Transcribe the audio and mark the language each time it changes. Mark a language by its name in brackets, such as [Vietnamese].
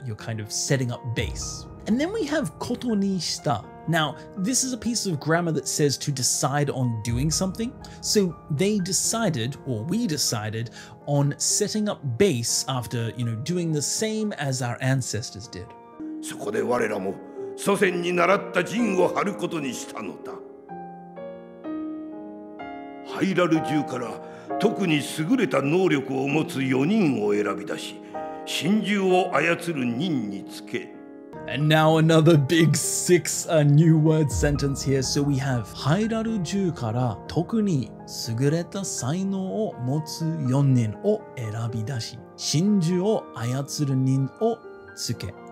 [English] You're kind of setting up base. And then we have ことにした。 Now, this is a piece of grammar that says to decide on doing something. So they decided, or we decided, on setting up base after, you know, doing the same as our ancestors did. [Japanese] そこで我らも祖先に習った陣を張ることにしたのだ。ハイラル中から特に優れた能力を持つ4人を選び出し、神獣を操る任につけ。 [English] And now another big six, a new word sentence here. So we have [Japanese] ハイラル中から特に優れた才能を持つ四人を選び出し、神獣を操る人をつけ。